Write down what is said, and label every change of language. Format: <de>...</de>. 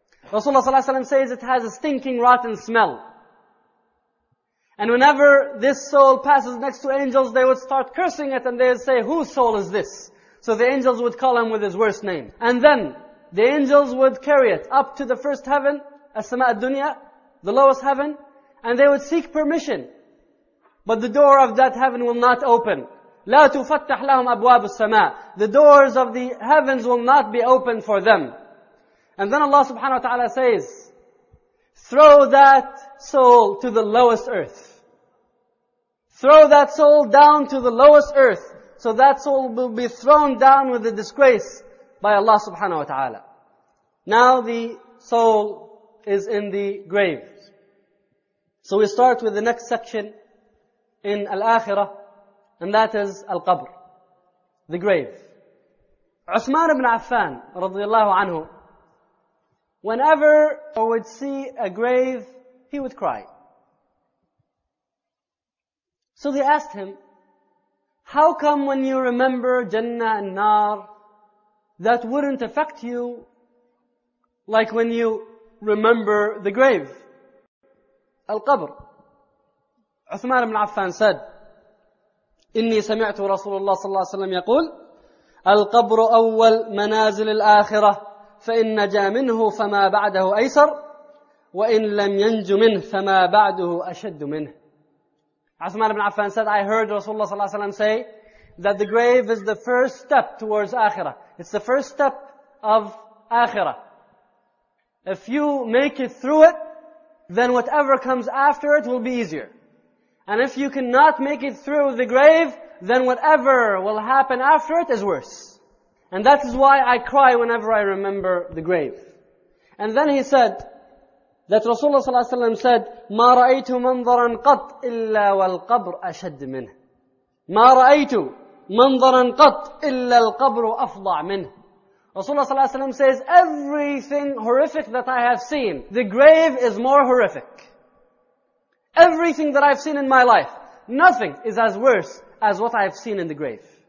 <en>Rasulullah sallallahu alayhi wa sallam says it has a stinking, rotten smell. And whenever this soul passes next to angels, they would start cursing it and they would say, whose soul is this? So the angels would call him with his worst name. And then the angels would carry it up to the first heaven, As-sama' ad-dunya, the lowest heaven, and they would seek permission. But the door of that heaven will not open.</en> <ar>لا تُفَتَّحْ لَهُمْ أَبْوَابُ السَّمَاءِ.</ar> <en>The doors of the heavens will not be opened for them. And then Allah subhanahu wa ta'ala says, throw that soul to the lowest earth. Throw that soul down to the lowest earth. So that soul will be thrown down with the disgrace by Allah subhanahu wa ta'ala. Now the soul is in the grave. So we start with the next section in Al-Akhirah, and that is Al-Qabr, the grave. Uthman ibn Affan, radiallahu anhu, whenever he would see a grave, he would cry. So they asked him, how come when you remember Jannah and Nar, that wouldn't affect you like when you remember the grave?</en> <ar>القبر. عثمان بن عفان said, إني سمعت رسول الله صلى الله عليه وسلم يقول, القبر أول منازل الآخرة, فإن نجا منه فما بعده أيسر, وإن لم ينج منه فما بعده أشد منه.</ar> <en>عثمان بن عفان said, I heard Rasulullah صلى الله عليه وسلم say that the grave is the first step towards Akhirah. It's the first step of Akhirah. If you make it through it, then whatever comes after it will be easier. And if you cannot make it through the grave, then whatever will happen after it is worse. And that is why I cry whenever I remember the grave.</en> <ar>And then he said that Rasulullah صلى الله عليه وسلم said, مَا رَأَيْتُ مَنْظَرًا قَطْ إِلَّا وَالْقَبْرُ أَشَدِّ مِنْهِ. مَا رَأَيْتُ مَنْظَرًا قَطْ إِلَّا الْقَبْرُ أَفْضَعْ مِنْهِ.</ar> <en>Rasulullah صلى الله عليه وسلم says, everything horrific that I have seen, the grave is more horrific. Everything that I've seen in my life, nothing is as worse as what I've seen in the grave.</en>